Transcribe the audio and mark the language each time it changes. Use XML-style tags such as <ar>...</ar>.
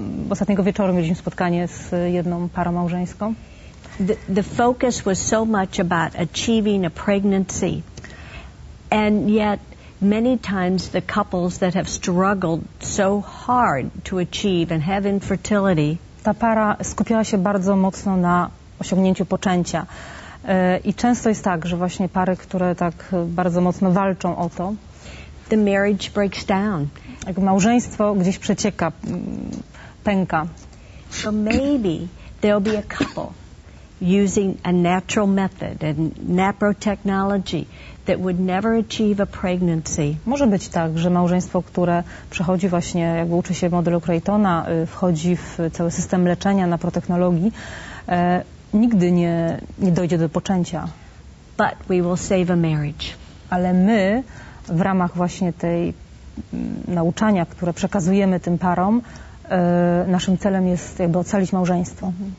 <pl>Ostatniego wieczoru mieliśmy spotkanie z jedną parą małżeńską.</pl> <en>the focus was so much about achieving a pregnancy. And yet, many times the couples that have struggled so hard to achieve and have infertility,</en> <pl>ta para skupiała się bardzo mocno na osiągnięciu poczęcia. I często jest tak, że właśnie pary, które tak bardzo mocno walczą o to,</pl> <en>the marriage breaks down.</en> <pl>Jak małżeństwo gdzieś przecieka, pęka.</pl> <en>So maybe there'll be a couple using a natural method and NAPRO technology that would never achieve a pregnancy.</en> <pl>Może być tak, że małżeństwo, które przechodzi właśnie, jakby uczy się modelu Creightona, wchodzi w cały system leczenia NAPRO technologii, nigdy nie dojdzie do poczęcia.</pl> <en>But we will save a marriage.</en> <pl>Ale my w ramach właśnie tej nauczania, które przekazujemy tym parom, naszym celem jest jakby ocalić małżeństwo.</pl>